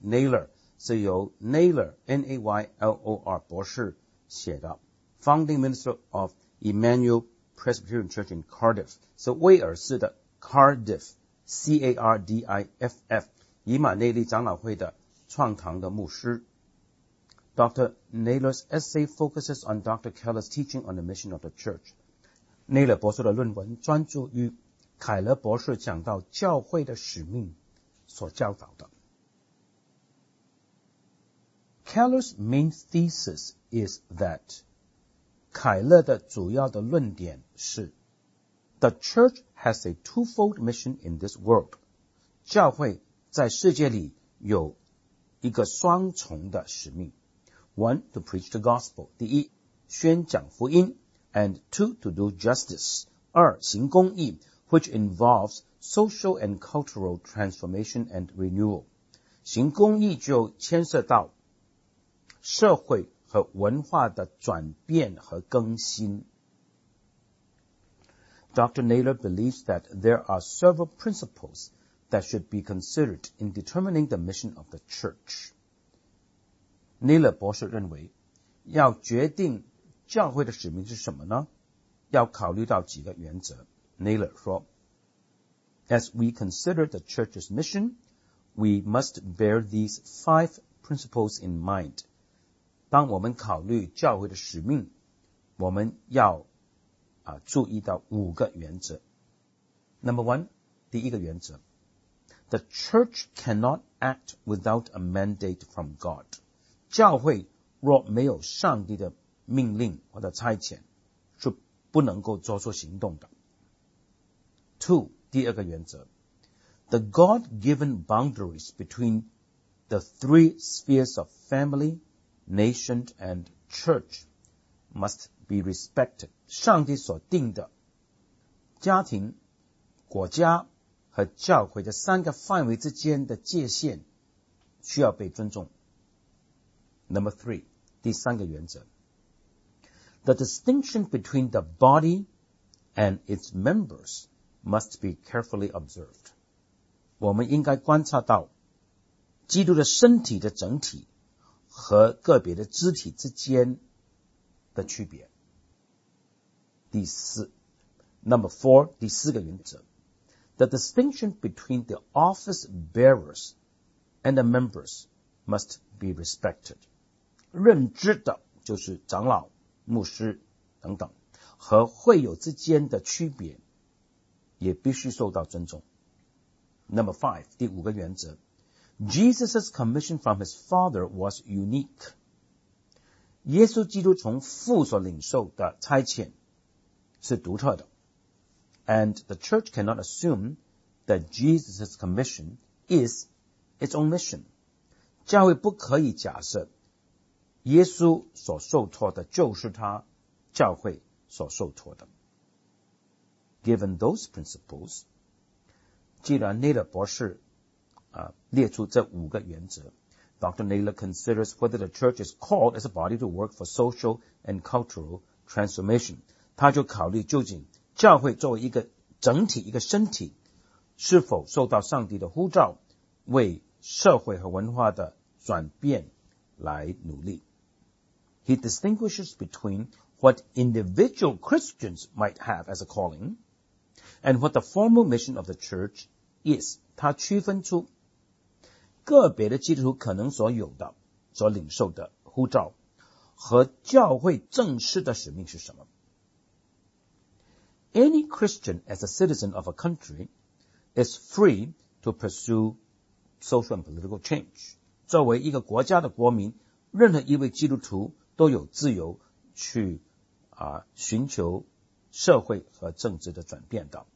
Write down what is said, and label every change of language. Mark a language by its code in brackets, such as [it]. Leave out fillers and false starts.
[zh] Naylor 是由 Naylor N-A-Y-L-O-R 博士写的 [en] Founding Minister of Emmanuel Presbyterian Church in Cardiff [zh] 是威尔士的Cardiff, C-A-R-D-I-F-F, 以马内利长老会的创堂的牧师。 Dr. [en] Naylor's essay focuses on Dr. Keller's teaching on the mission of the church. [zh] Naylor 博士的论文专注于凯勒博士讲到教会的使命所教导的。 [en] Keller's main thesis is that [zh] 凯勒的主要的论点是 [en] The churchhas a twofold mission in this world. [zh] 教会在世界里有一个双重的使命。 [en] One, to preach the gospel. [zh] 第一，宣讲福音。 [en] And two, to do justice. [zh] 二，行公义 [en] which involves social and cultural transformation and renewal. [zh] 行公义就牵涉到社会和文化的转变和更新。 [en] Dr. Naylor believes that there are several principles that should be considered in determining the mission of the church. [zh] Naylor 博士认为，要决定教会的使命是什么呢？要考虑到几个原则。 [en] Naylor 说 ,As we consider the church's mission, we must bear these five principles in mind. [zh] 当我们考虑教会的使命，我们要注意到五个原则。 [en] Number one, [zh] 第一个原则。 [en] The church cannot act without a mandate from God. [zh] 教会若没有上帝的命令或者差遣是不能够做出行动的。 Two, 第二个原则。 [en] The God-given boundaries between the three spheres of family, nation, and church must be respected. [zh] 上帝所定的家庭、国家和教会的三个范围之间的界限需要被尊重。 [en] Number three, [zh] 第三个原则。 [en] The distinction between the body and its members must be carefully observed. [zh] 我们应该观察到基督的身体的整体和个别的肢体之间的区别。第四 , [en] Number four, [zh] 第四个原则。 [en] The distinction between the office bearers and the members must be respected. [zh] 认知的就是长老、牧师等等和会友之间的区别也必须受到尊重。 [en] Number five, [zh] 第五个原则。 [en] Jesus' commission from his father was unique. [zh] 耶稣基督从父所领受的差遣是独特的 [en] and the church cannot assume that Jesus' commission is its own mission. [zh] 教会不可以假设耶稣所受托的就是他教会所受托的。 [en] Given those principles, [zh] 既然 Naylor 博士列出这五个原则 Dr. [en] Naylor considers whether the church is called as a body to work for social and cultural transformation. [zh] 他就考虑究竟教会作为一个整体一个身体是否受到上帝的呼召为社会和文化的转变来努力。 [en] He distinguishes between what individual Christians might have as a calling and what the formal mission of the church is. [zh] 他区分出个别的基督徒可能所有的所领受的呼召和教会正式的使命是什么。 [en] Any Christian as a citizen of a country is free to pursue social and political change. [zh] 作为一个国家的国民，任何一位基督徒都有自由去寻求社会和政治的转变的。